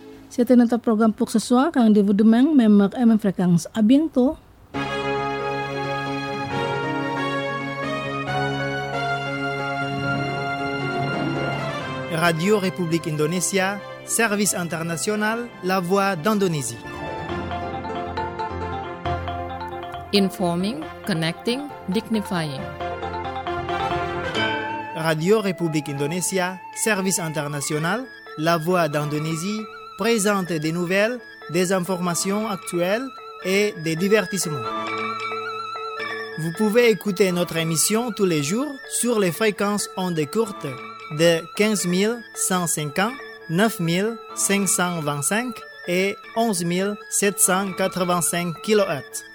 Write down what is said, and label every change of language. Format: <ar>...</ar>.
<fr>C'était notre programme pour ce soir. Rendez-vous demain, même heure et même fréquence. À bientôt. Radio République Indonesia, service international, la voix d'Indonésie.</fr> <en>Informing, connecting, dignifying.</en> <fr>Radio République Indonesia, service international, la voix d'Indonésie. Présente des nouvelles, des informations actuelles et des divertissements. Vous pouvez écouter notre émission tous les jours sur les fréquences ondes courtes de 15 150, 9 525 et 11 785 kHz.</fr>